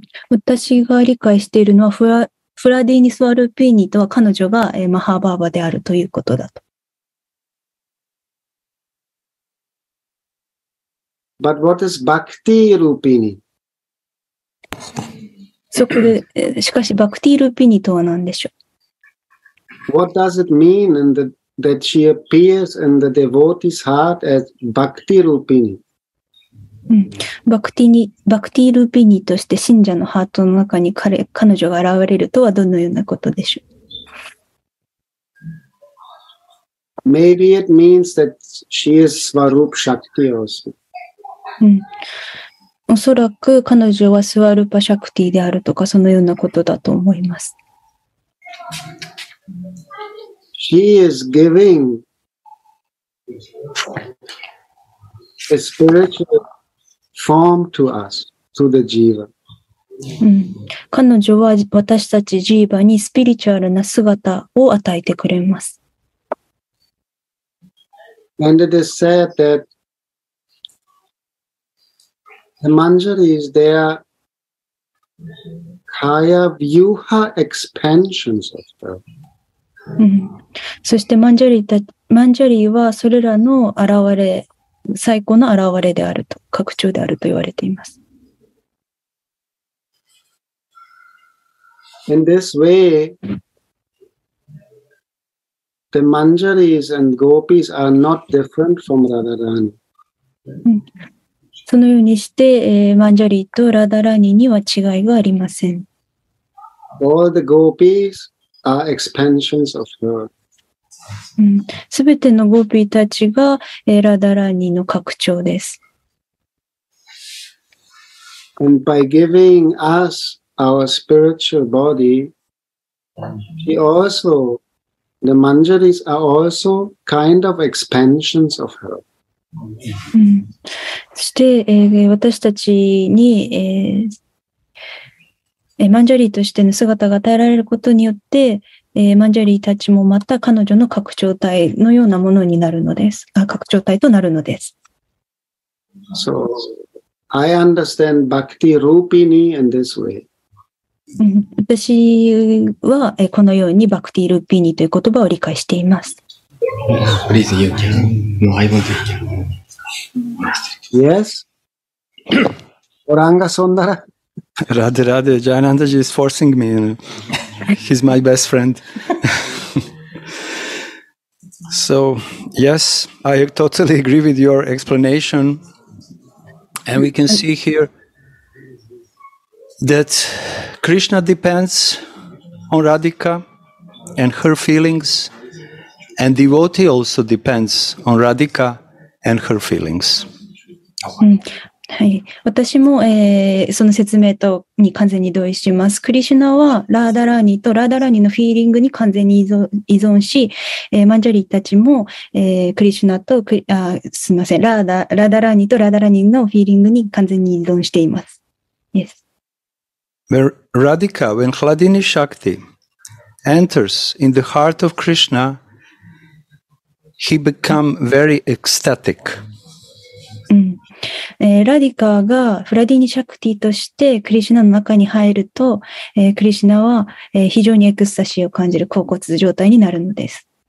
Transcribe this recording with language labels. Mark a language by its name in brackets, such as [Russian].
[Japanese] 私が理解しているのはフラディーニスワルピーニとは彼女がマハバーバであるということだと。 [English] But what is Bhakti Rupini? [Japanese] そこで、しかしバクティールーピーニとは何でしょう？ [English] What does it mean in the, that she appears in the devotee's heart as Bhakti Rupini? [Japanese] バクティールーピニとして信者のハートの中に 彼女が現れるとはどのようなことでしょう [English] ?Maybe it means that she is Swarup Shakti also. [Japanese] おそらく彼女はスワルパシャクティであるとかそのようなことだと思います。 [English] She is giving a spiritual. Form to us, to the jiva. [Japanese] 彼女は私たちジーバにスピリチュアルな姿を与えてくれます。 [English] And it is said that the Manjari is their Kaya Vyuha expansions of the world. [Japanese] そしてマンジャリはそれらの現れ最高の現れであると、拡張であると言われています。 [English] In this way, the manjaris and gopis are not different from Radharani. [Japanese] そのようにして、マンジャリとラダラニには違いがありません。 [English] All the gopis are expansions of her. [Japanese] すべてのゴピーたちがラダラニの拡張です。 [English] And by giving us our spiritual body, she also, the manjaris are also kind of expansions of her. [Japanese] そして、私たちに、マンジャリーとしての姿が与えられることによって、マンジャリーたちもまた彼女の拡張体のようなものになるのです。拡張体となるのです。 [English] So, I understand Bhakti Rupini in this way. [Japanese] 私は、このようにバクティ・ルーピーニという言葉を理解しています。 [English] Please, you can. No, I want you can. Yes? Oranga Sondara? Radhe, Radhe, Jayanandaji is forcing me. He's my best friend. So, yes, I totally agree with your explanation. And we can see here that Krishna depends on Radhika and her feelings, and devotee also depends on Radhika and her feelings.、 [Japanese] うん、はい、私も、その説明とに完全に同意します。クリシュナはラーダラーニとラーダラーニのフィーリングに完全に依存し、マンジャリたちも、クリシュナとクリ、あ、すみません、ラーダラーニとラーダラーニのフィーリングに完全に依存しています。 [English] Yes. Radhika, when Kladini Shakti enters in the heart of Krishna, he becomes very ecstatic. [Japanese] Radhika が Kladini Shakti として Krishna の中に入ると、Krishna は、非常にエクスタシーを感じる恍惚状態になるのです。